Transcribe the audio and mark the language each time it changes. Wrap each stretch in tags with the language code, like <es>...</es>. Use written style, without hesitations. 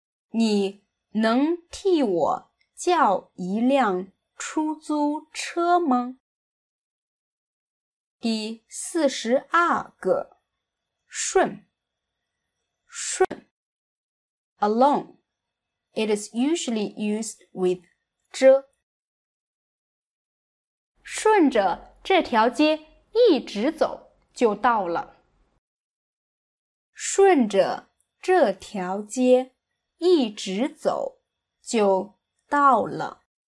<zh>你能替我叫一辆出租车吗？第四十二个，顺，顺 ，along。</zh> <en>It is usually used with 遮。</en> <zh>顺着这条街一直走就到了。顺着这条街一直走就到了。</zh>